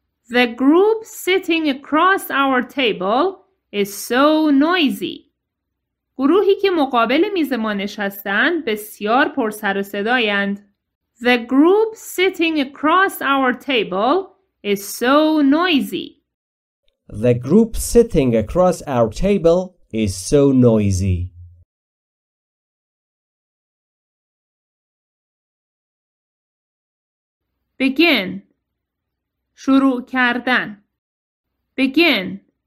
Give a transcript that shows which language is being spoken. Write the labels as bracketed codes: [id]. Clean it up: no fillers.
[en] The group sitting across our table is so noisy. [fa] گروهی که مقابل میز ما نشستند بسیار پرسر و صدایند. [en] The group sitting across our table is so noisy. The group sitting across our table is so noisy. Begin. شروع کردن. Begin.